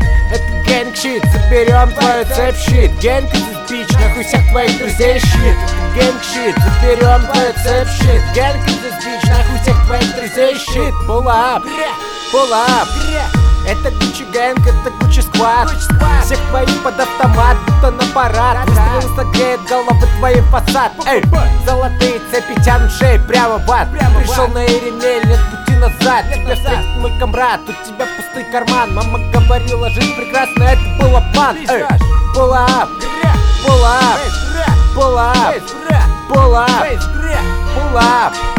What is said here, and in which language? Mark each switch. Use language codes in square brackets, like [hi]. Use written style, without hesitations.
[ru] Это [en] гэнг шит, [ru] заберем твою цепь [en] шит. Гэнг [ru] этот бич, нахуй всех твоих друзей шит. [en] Гэнг шит, [ru] заберем твою цепь [en] шит. Гэнг [ru] этот бич, нахуй всех твоих друзей шит. [en] Pull up, pull up. [ru] Это Gucci Gang, это Gucci Squad. Всех твоих под автомат, будто на парад. Выстрелы согреют головы твои фасад. Эй, золотые цепи тянут шеи прямо в ад. Пришел на Иремель, нет пути назад. Тебя встретит мой комрад, у тебя пустой карман. Мама говорила, жизнь прекрасна, это был обман. Эй, [en] pull up, pull up, pull up, pull up, pull up.